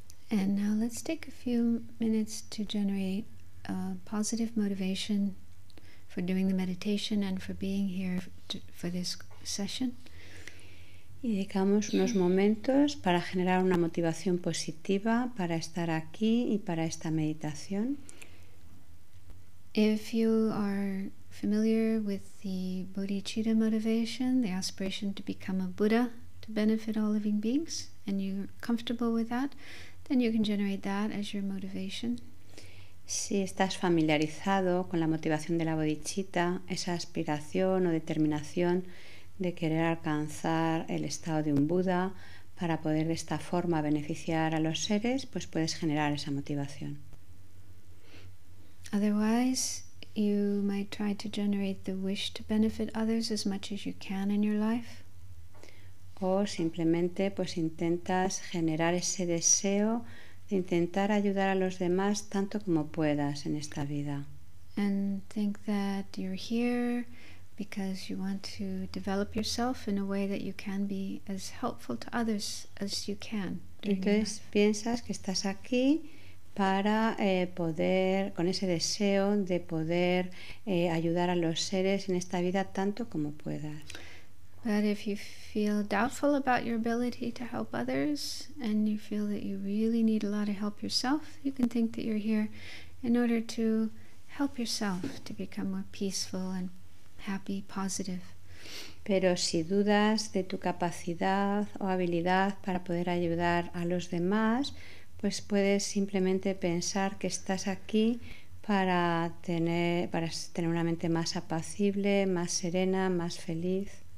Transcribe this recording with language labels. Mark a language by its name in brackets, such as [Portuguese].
[English] And now let's take a few minutes to generate positive motivation for doing the meditation and for being here for this session. [Spanish] Y dedicamos unos momentos para generar una motivación positiva para estar aquí y para esta meditación. [English] If you are familiar with the bodhicitta motivation, the aspiration to become a Buddha to benefit all living beings, and you're comfortable with that, then you can generate that as your motivation. [Spanish] Si estás familiarizado con la motivación de la bodhicitta, esa aspiración o determinación de querer alcanzar el estado de un Buda para poder de esta forma beneficiar a los seres, pues puedes generar esa motivación. [English] Otherwise, you might try to generate the wish to benefit others as much as you can in your life. [Spanish] O simplemente pues intentas generar ese deseo de intentar ayudar a los demás tanto como puedas en esta vida. [English] And think that you're here because you want to develop yourself in a way that you can be as helpful to others as you can. [Spanish] Entonces piensas que estás aquí para poder, con ese deseo de poder ayudar a los seres en esta vida tanto como puedas. [English] But if you feel doubtful about your ability to help others and you feel that you really need a lot of help yourself, you can think that you're here in order to help yourself to become more peaceful and happy, positive. [Spanish] Pero si dudas de tu capacidad o habilidad para poder ayudar a los demás, pues puedes simplemente pensar que estás aquí para tener una mente más apacible, más serena, más feliz.